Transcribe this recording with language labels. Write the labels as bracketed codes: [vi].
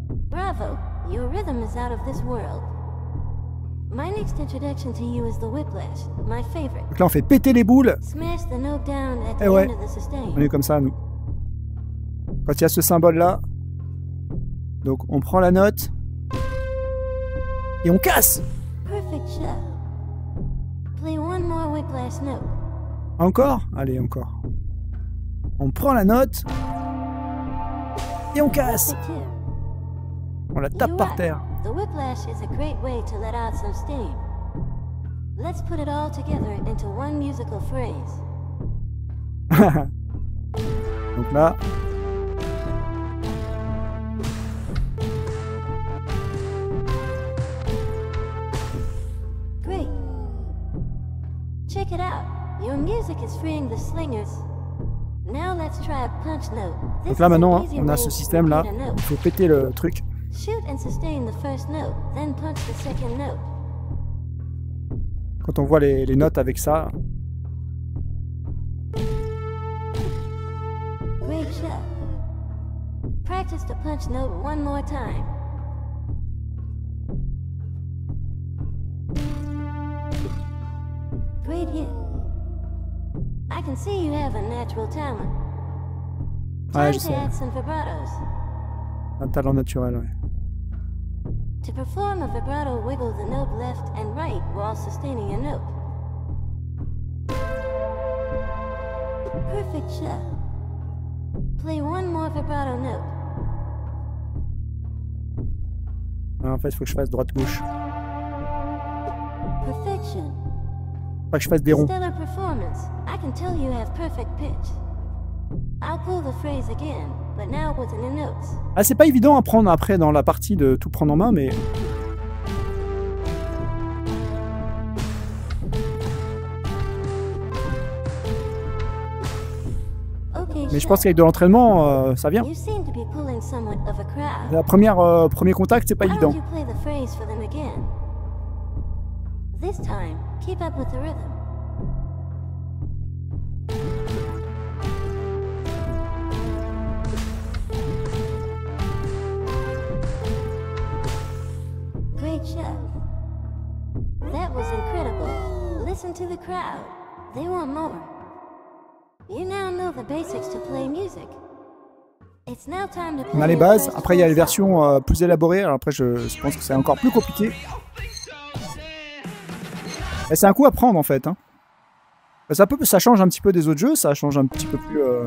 [en] Bravo, your rhythm is out of this world. My next introduction to you is the whiplash, my favorite. [fr] Donc là, on fait péter les boules. [en] Smash the note down at the end of the sustain. [fr] On est comme ça, nous. Quand il y a ce symbole là, donc on prend la note et on casse. [en] Perfect show. Play one more whiplash note. [fr] Encore ? Allez, encore. On prend la note et on casse. On la tape par terre. [en] The whiplash is a great way to let out some steam. Let's put it all together into one musical phrase. [fr] Donc là. [en] Check it out. Your music is freeing the slingers. Now let's try a punch note. [fr] Donc là maintenant, on a ce système là, il faut péter le truc. [en] Shoot and sustain the first note, then punch the second note. [fr] Quand on voit les notes avec ça. [en] Great shot. Practice the punch note one more time. I can see you have a natural talent. [fr] Un talent naturel, ouais. [en] To perform a vibrato, wiggle the note left and right while sustaining a note. Perfect show. Play one more vibrato note. [fr] Alors, en fait, il faut que je fasse droite gauche. Perfection. Pas que je fasse des ronds. [en] Stellar performance. I can tell you have perfect pitch. I'll pull the phrase again, but now with the notes. [fr] Ah, c'est pas évident à prendre après dans la partie de tout prendre en main, mais. Okay, mais je pense qu'avec de l'entraînement, ça vient. [en] You seem to be pulling somewhat of a crowd. [fr] La première premier contact, c'est pas évident. [en] Why don't you play the phrase for them again? This time, keep up with the rhythm. Great show. That was incredible. Listen to the crowd. They want more. You now know the basics to play music. It's now time to play. [fr] On a les bases. Après, il y a les versions plus élaborées. Alors après, je pense que c'est encore plus compliqué. Et c'est un coup à prendre en fait. Hein. Ça change un petit peu des autres jeux, ça change un petit peu plus.